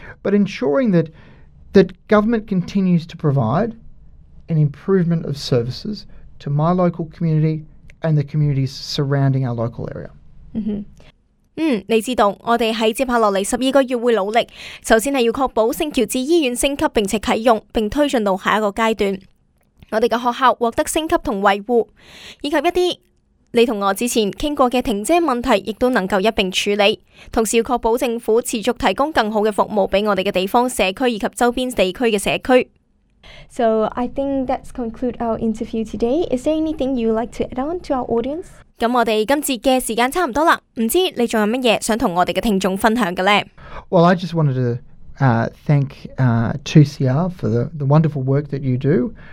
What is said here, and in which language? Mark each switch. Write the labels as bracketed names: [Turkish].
[English] But ensuring that government continues to provide an improvement of services to my local community and the communities surrounding our local area. [Cantonese] 你知道我哋喺接下落嚟十二个月会努力，首先系要确保圣乔治医院升级并且启用，并推进到下一个阶段。我哋嘅学校获得升级同维护，以及一啲你同我之前倾过嘅停车问题，亦都能够一并处理。同时要确保政府持续提供更好嘅服务俾我哋嘅地方社区以及周边地区嘅社区。 [English] So I think that's conclude our interview today. Is there anything you'd like to add on to our audience? [Cantonese] 咁我哋今节嘅时间差唔多啦，唔知你仲有乜嘢想同我哋嘅听众分享嘅咧 [English] ？Well, I just wanted to thank 2CR for the wonderful work that you do.